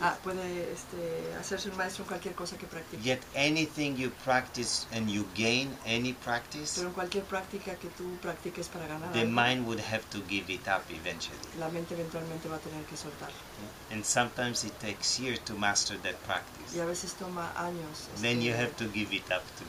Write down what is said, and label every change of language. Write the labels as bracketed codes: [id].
[es] Ah, puede hacerse un maestro en cualquier cosa que practique. [en] Yet anything you practice and you gain any practice. [es] Pero en cualquier práctica que tú practiques para ganar. [en] The mind would have to give it up eventually. [es] La mente eventualmente va a tener que soltarlo. Yeah. [en] And sometimes it takes years to master that practice. [es] Y a veces toma años. [en] Then you have to give it up too.